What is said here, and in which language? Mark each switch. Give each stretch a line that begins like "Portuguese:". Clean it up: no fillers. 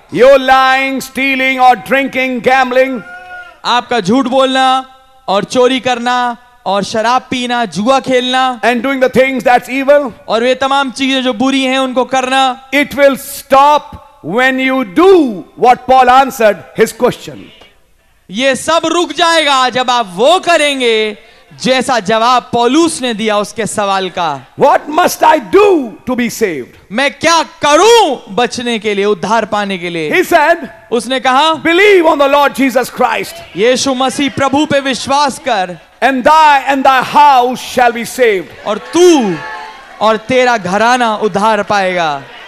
English: Your lying, stealing or drinking, gambling.
Hindi: आपका झूठ बोलना और चोरी करना और शराब पीना जुआ खेलना.
English: And doing the things that's evil.
Hindi: और वे तमाम चीजें जो बुरी हैं उनको करना.
English: It will stop when you do what Paul answered his question.
Hindi: ये सब रुक जाएगा जब आप वो करेंगे जैसा जवाब पौलुस ने दिया उसके सवाल का.
English: What must I do to be saved?
Hindi: मैं क्या करूं बचने के लिए उद्धार पाने के लिए.
English: He said,
Hindi: उसने कहा
English: Believe on the Lord Jesus Christ.
Hindi: यीशु मसीह प्रभु पे विश्वास कर.
English: And thy house shall be saved.
Hindi: और तू और तेरा घराना उद्धार पाएगा.